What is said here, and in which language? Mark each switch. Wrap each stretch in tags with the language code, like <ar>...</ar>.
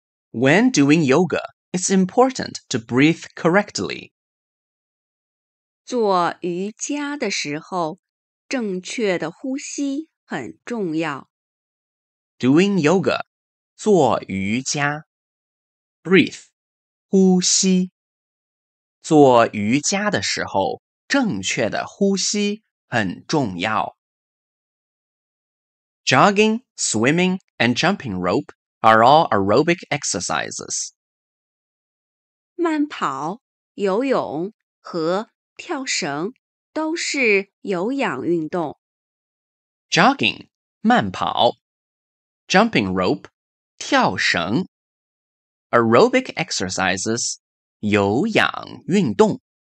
<en>When doing yoga, it's important to breathe correctly.</en> <zh>做瑜伽的时候，正确的呼吸很重要。</zh> <en>Doing yoga, 做瑜伽。Breathe, 呼吸。</en> <zh>做瑜伽的时候，正确的呼吸很重要。</zh> <en>Jogging, swimming, and jumping rope are all aerobic exercises.</en> <zh>慢跑、游泳和跳绳都是有氧运动。</zh> <en>Jogging, 慢跑。Jumping rope, 跳绳。 Aerobic exercises, 有氧运动。</en>